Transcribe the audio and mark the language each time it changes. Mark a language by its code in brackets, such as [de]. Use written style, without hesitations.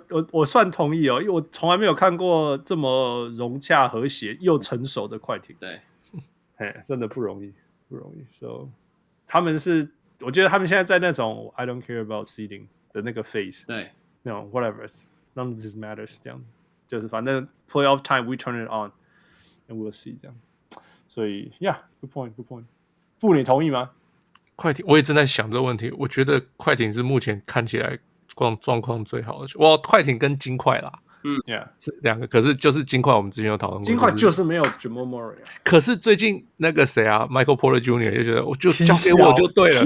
[zh] 我算同意哦，因为我从来没有看过这么融洽、和谐又成熟的快艇。对，真的不容易，不容易。所以他们是，我觉得他们现在在那种 [en] I don't care about seeding [zh] 的那个 phase。对， [en] 那种 whatever， none of this matters [zh] 这样子。 就是反正 [en] playoff time we turn it on and we'll see [zh] 这样，所以 [en] yeah good point， [zh] 傅你同意吗？快艇我也正在想这个问题，我觉得快艇是目前看起来状况最好的，哇，快艇跟金块啦，嗯 [en] yeah [zh] 这两个，可是就是金块我们之前有讨论过，金块就是没有 Jamal Murray，可是最近那个谁啊 Michael Porter Jr 就觉得我就交给我就对了，